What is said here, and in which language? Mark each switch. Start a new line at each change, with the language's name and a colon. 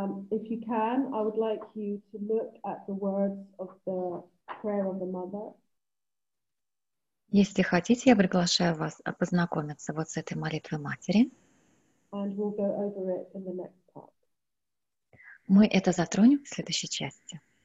English: If you can, I would like you to look at the words of the prayer of the mother.
Russian: Если хотите, я приглашаю вас познакомиться вот с этой молитвой матери.
English: And we'll go over it in the next part.
Russian: Мы это затронем в следующей части.